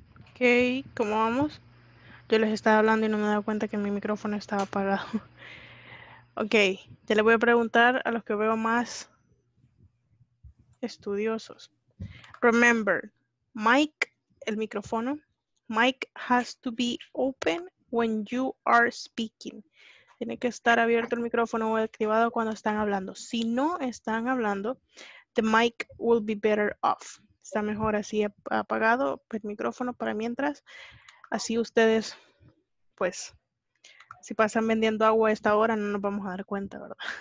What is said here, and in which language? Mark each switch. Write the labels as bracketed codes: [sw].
[es] Okay, ¿cómo vamos? Yo les estaba hablando y no me he dado cuenta que mi micrófono estaba apagado. Okay, ya le voy a preguntar a los que veo más estudiosos. [en] Remember, Mike, el micrófono. Mike has to be open when you are speaking. [es] Tiene que estar abierto el micrófono o activado cuando están hablando. Si no están hablando, [en] the mic will be better off. [es] Está mejor así apagado el micrófono para mientras. Así ustedes, pues, si pasan vendiendo agua a esta hora, no nos vamos a dar cuenta, ¿verdad?